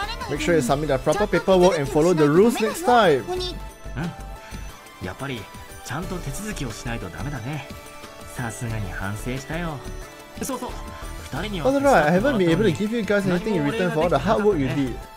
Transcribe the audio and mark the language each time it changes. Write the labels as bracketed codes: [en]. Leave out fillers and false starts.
[en] Make sure you submit the proper paperwork and follow the rules next time. [ja] やっぱりちゃんと手続きをしないとダメだね。さすがに反省したよ。そうそう、二人には。 [en] That's right. I haven't been able to give you guys anything in return for all the hard work you did.